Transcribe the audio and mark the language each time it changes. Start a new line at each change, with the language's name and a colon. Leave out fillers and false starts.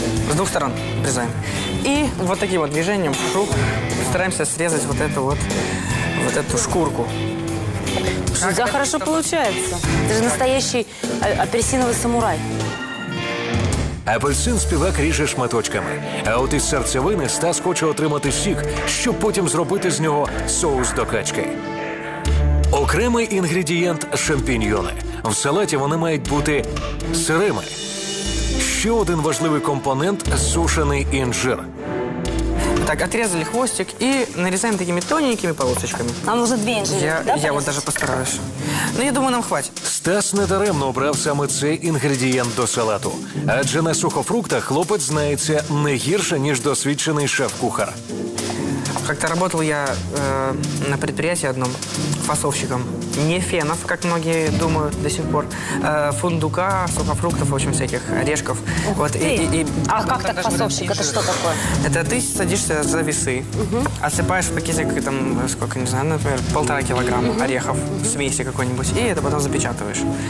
Russian: С двух сторон обрезаем. И вот таким вот движением вокруг стараемся срезать вот эту шкурку. Да, хорошо получается. Это же настоящий апельсиновый самурай.
Ukrainian: Апельсин співак ріже шматочками. А от із серцевини Стас хоче отримати сік, щоб потім зробити з нього соус до качки. Окремий інгредієнт – шампіньйони. В салаті вони мають бути сирими. Ще один важливий компонент – сушений інжир. Так, отрезали хвостик і нарізаємо такими тоненькими полосочками. Нам вже дві інжири, так? Я навіть постараюся. Ну, я думаю, нам хватить. Стас недаремно обрав саме цей інгредієнт до салату. Адже на сухофруктах хлопець знається не гірше, ніж досвідчений шеф-кухар.
Russian: Как-то работал я на предприятии одном фасовщиком. Не фенов, как многие думают до сих пор. Фундука, сухофруктов, в общем, всяких орешков. Ух вот, ты! А как так фасовщик? Это что такое? Это ты садишься за весы, отсыпаешь в пакетик, там, сколько, не знаю, например, 1,5 килограмма орехов, смеси какой-нибудь, и это потом запечатываешь.